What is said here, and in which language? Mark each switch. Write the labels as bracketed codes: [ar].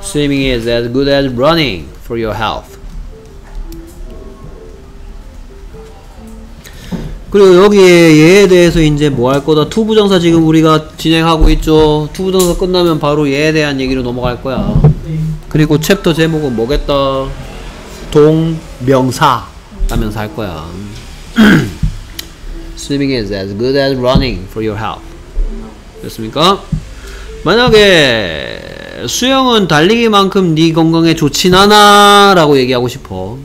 [en] Swimming is as good as running for your health. [ko] 그리고 여기에 얘에 대해서 이제 뭐 할 거다. 투부정사 지금 우리가 진행하고 있죠. 투부정사 끝나면 바로 얘에 대한 얘기로 넘어갈 거야. 그리고 챕터 제목은 뭐겠다? 동명사 라면서 할 거야. [en] Swimming is as good as running for your health. [ko] 됐습니까? 만약에 수영은 달리기만큼 네 건강에 좋진 않아 라고 얘기하고 싶어.